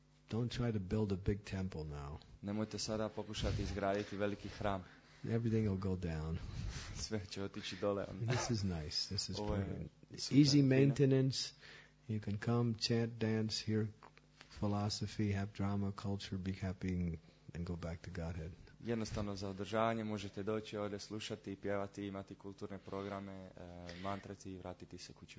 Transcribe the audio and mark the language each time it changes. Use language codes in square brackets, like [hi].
[en] Don't try to build a big temple now. [hr] Nemojte sada pokušati izgraditi veliki hram. [en] Everything will go down. [hr] Sve će otići dole. [en] This is nice. This is brilliant. Easy maintenance. You can come, chant, dance, hear philosophy, have drama, culture, be happy, and go back to Godhead. [hr] Jednostavno za održavanje možete doći ovdje slušati, pjevati, imati kulturne programe, mantrati i vratiti se kući.